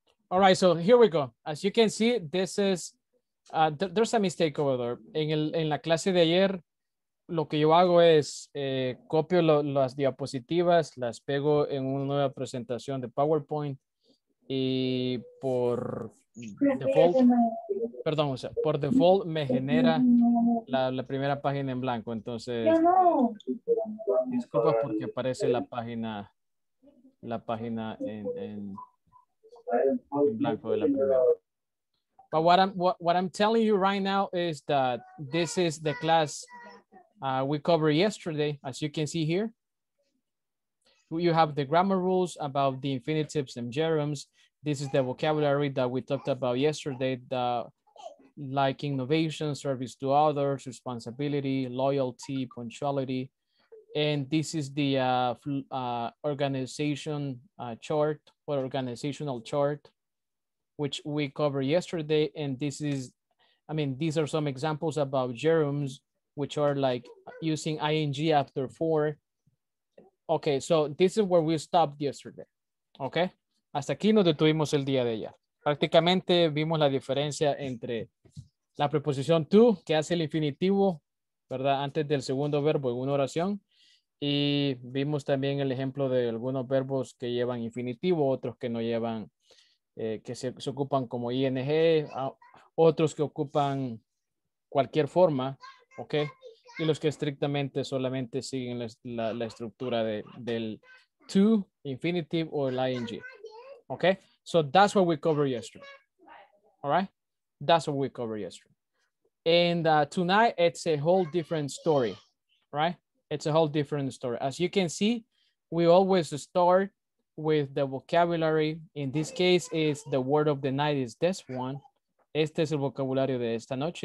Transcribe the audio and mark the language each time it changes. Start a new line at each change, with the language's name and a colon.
English: All right, so here we go. As you can see, this is, there's a mistake over there.
Spanish: En la clase de ayer, lo que yo hago es copio las diapositivas, las pego en una nueva presentación de PowerPoint y por default, perdón, o sea, por default me genera la primera página en blanco. Entonces, disculpa porque aparece la página en blanco de la primera.
English: But what I'm telling you right now is that this is the class we covered yesterday, as you can see here. You have the grammar rules about the infinitives and gerunds. This is the vocabulary that we talked about yesterday, the like innovation, service to others, responsibility, loyalty, punctuality. And this is the organizational chart, which we covered yesterday. And this is, I mean, these are some examples about gerunds, which are like using ing after for. Okay, so this is where we stopped yesterday.
Spanish: Okay, hasta aquí nos detuvimos el día de ayer. Prácticamente vimos la diferencia entre la preposición to, que hace el infinitivo, ¿verdad? Antes del segundo verbo en una oración. Y vimos también el ejemplo de algunos verbos que llevan infinitivo, otros que no llevan, que se ocupan como ing, otros que ocupan cualquier forma, ¿ok? Y los que estrictamente solamente siguen la estructura del to, infinitive, o el ing, ¿ok?
English: So that's what we covered yesterday, all right? That's what we covered yesterday. And tonight, it's a whole different story, right? It's a whole different story. As you can see, we always start with the vocabulary. In this case, is the word of the night is this one.
Spanish: Este es el vocabulario de esta noche.